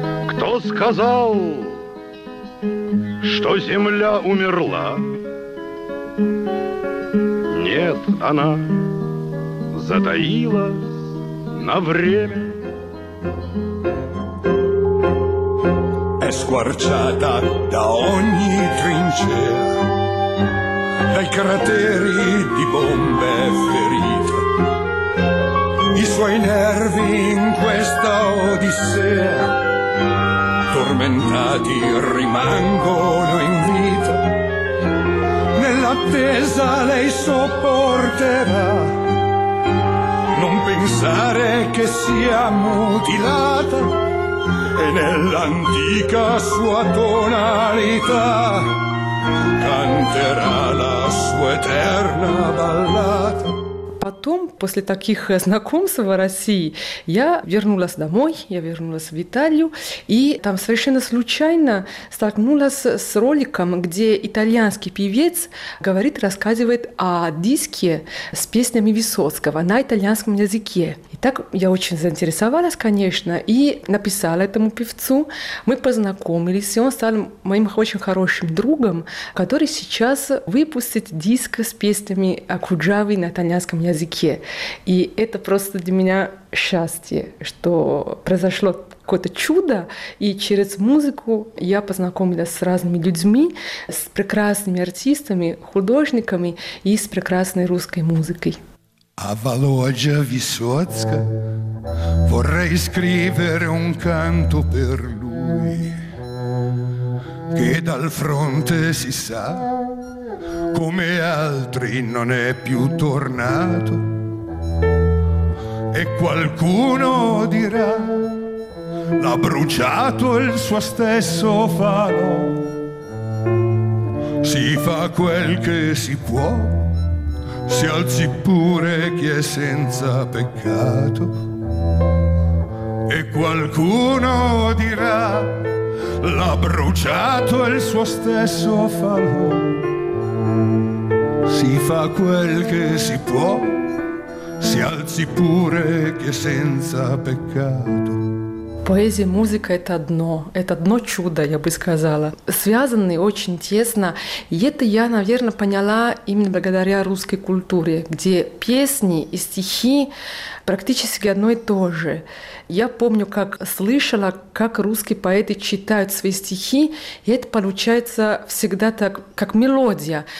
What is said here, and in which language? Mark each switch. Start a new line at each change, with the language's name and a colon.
Russian: Кто сказал, что земля умерла? Нет, она затаилась на время.
Italian: È squarciata da ogni trincea, dai crateri di bombe ferita. I suoi nervi in questa odissea tormentati rimangono in vita, nell'attesa lei sopporterà, non pensare che sia mutilata, e nell'antica sua tonalità canterà la sua eterna ballata.
Russian: Потом, после таких знакомств в России, я вернулась домой, я вернулась в Италию, и там совершенно случайно столкнулась с роликом, где итальянский певец говорит, рассказывает о диске с песнями Высоцкого на итальянском языке. И так я очень заинтересовалась, конечно, и написала этому певцу. Мы познакомились, и он стал моим очень хорошим другом, который сейчас выпустит диск с песнями Куджавы на итальянском языке. И это просто для меня счастье, что произошло какое-то чудо, и через музыку я познакомилась с разными людьми, с прекрасными артистами, художниками и с прекрасной русской музыкой.
Italian: А Володя Висоцка vorrei scrivere un canto per lui, che dal fronte si sa come altri non è più tornato, e qualcuno dirà l'ha bruciato il suo stesso falò. Si fa quel che si può, si alzi pure chi è senza peccato, e qualcuno dirà l'ha bruciato il suo stesso falò. Si fa quel che si può, si alzi pure che senza peccato.
Russian: Поэзия, музыка – это одно чудо, я бы сказала. Связаны очень тесно. И это я, наверное, поняла именно благодаря русской культуре, где песни и стихи практически одно и то же. Я помню, как слышала, как русские поэты читают свои стихи, и это получается всегда так, как мелодия.